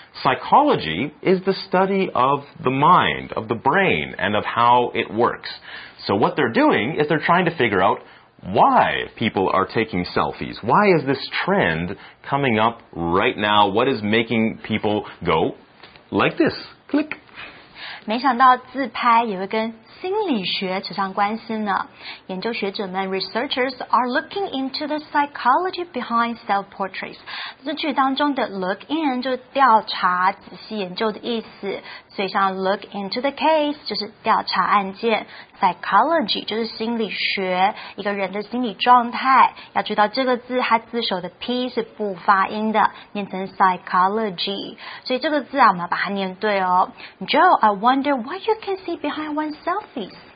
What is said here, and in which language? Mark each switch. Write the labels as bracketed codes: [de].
[en] Psychology is the study of the mind, of the brain, and of how it works. So what they're doing is they're trying to figure out,Why people are taking selfies? Why is this trend coming up right now? What is making people go like this? Click. [zh] 没想到自拍也会跟心理学扯上关系呢。研究学者们 [en] researchers are looking into the psychology behind self-portraits. [zh] 这句当中的 look in 就是调查、仔细研究的意思。所以像 [en] look into the case [zh] 就是调查案件 psychology 就是心理学一个人的心理状态要知道这个字它字首的 p 是不发音的念成 psychology 所以这个字啊我们要把它念对哦 [en] Joe, I wonder what you can see behind one's selfies